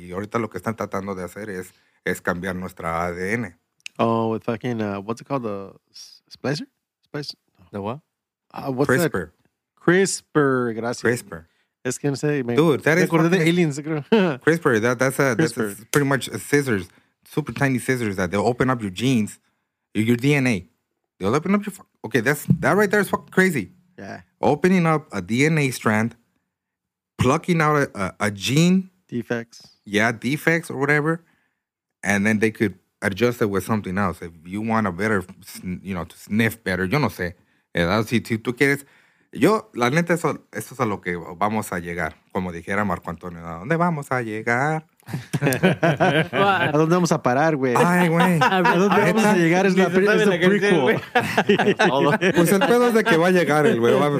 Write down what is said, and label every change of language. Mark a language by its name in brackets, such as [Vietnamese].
[Spanish] Y ahorita lo que están tratando de hacer es cambiar nuestra ADN. [English] Oh, with fucking, what's it called? The splicer? The what? What's CRISPR. That? CRISPR, gracias. CRISPR. [Spanish] Es que no sé. [English] Dude, that is... [Spanish] Recordé de aliens, creo. [English] CRISPR, that's pretty much scissors. Super tiny scissors that they'll open up your genes, your DNA. They'll open up your... Okay, that right there is fucking crazy. Yeah. Opening up a DNA strand, plucking out a gene... Defects. Yeah, defects or whatever. And then they could adjust it with something else. If you want a better, you know, to sniff better, [Spanish] yo no sé. [English] That's it. [Spanish] Tú quieres... Yo, la neta, eso es a lo que vamos a llegar. Como dijera Marco Antonio, ¿a dónde vamos a llegar? ¿A dónde vamos a parar, güey? Ay, güey. ¿A dónde vamos a llegar? Es la prequel. Pues el pedo es de que va a llegar el güey.